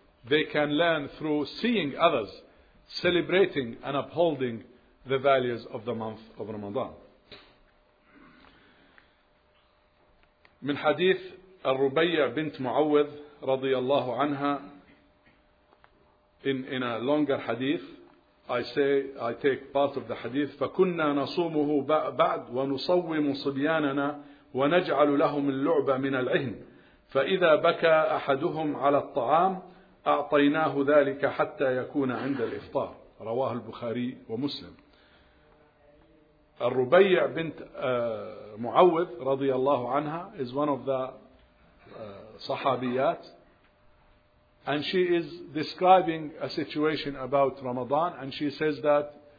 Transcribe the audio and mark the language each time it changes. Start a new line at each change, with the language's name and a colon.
English: They can learn through seeing others celebrating and upholding the values of the month of Ramadan.
Arabic: من حديث الربيع بنت معوذ رضي الله عنها,
English: in a longer hadith, I take part of the hadith.
Arabic: فكنا نصومه بعد ونصوم صبياننا ونجعل لهم اللعبة من العهن فإذا بكى أحدهم على الطعام أعطيناه ذلك حتى يكون عند الإفطار. رواه البخاري ومسلم. الربيع بنت معوذ رضي الله عنها
English: is one of the صحابيات, and she is describing a situation about Ramadan, and she says that